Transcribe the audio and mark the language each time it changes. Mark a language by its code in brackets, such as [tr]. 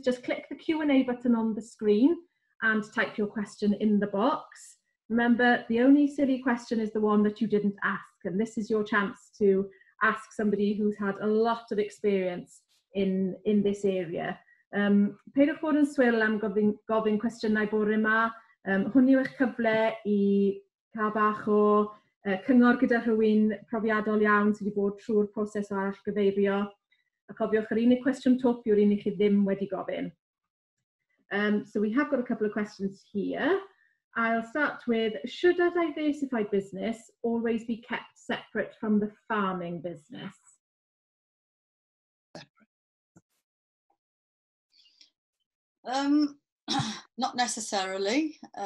[en] Just click the Q&A button on the screen and type your question in the box. Remember, the only silly question is the one that you didn't ask, and this is your chance to ask somebody who's had a lot of experience in this area. [cy] Peidiwch bod yn swil am gofyn cwestiynau bore yma. Hwn yw eich cyfle I cael bach o cyngor gyda rhywun profiadol iawn sydd wedi bod trwy'r proses o arallgyfeirio. A cofiwch yr unig cwestiwn twp yw'r unig chi ddim wedi gofyn. [en] So we have got a couple of questions here. I'll start with, should a diversified business always be kept separate from the farming business? Not necessarily.